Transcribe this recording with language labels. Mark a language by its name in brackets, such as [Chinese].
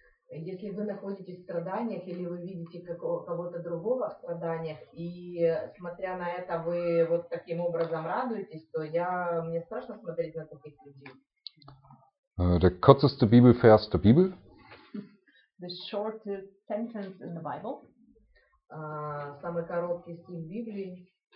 [Russian] Если вы находитесь в страданиях или вы видите кого-то другого в страданиях, и смотря на это вы вот таким образом радуетесь, то мне страшно смотреть на таких людей. [German] Der kürzeste Bibelvers der Bibel. [English] The shortest sentence in the Bible. [Russian] Самый короткий стих в Библии.